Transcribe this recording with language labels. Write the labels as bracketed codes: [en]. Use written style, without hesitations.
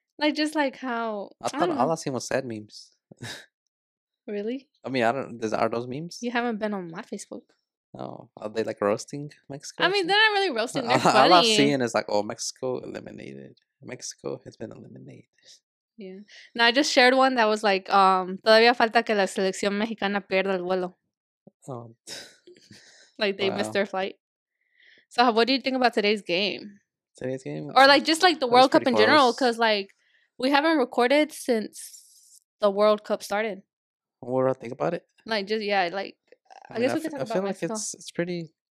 [en] Like, just like how. I thought all I seen was sad memes. Really? I mean, I don't. Are those memes? You haven't been on my Facebook. Oh, are they like roasting Mexico? I mean, they're not really roasting. They're funny. All I'm seeing is like, oh, Mexico eliminated. Mexico has been eliminated. Yeah. No, I just shared one that was like, [es] todavía falta que la selección mexicana pierda el vuelo. Oh. [en] Like they missed their flight. So, what do you think about today's game? Today's game? Or like just like the World Cup in general? Because like, we haven't recorded since the World Cup started. What do I think about it? Like, just, yeah, like, I guess we can talk about Mexico. I feel like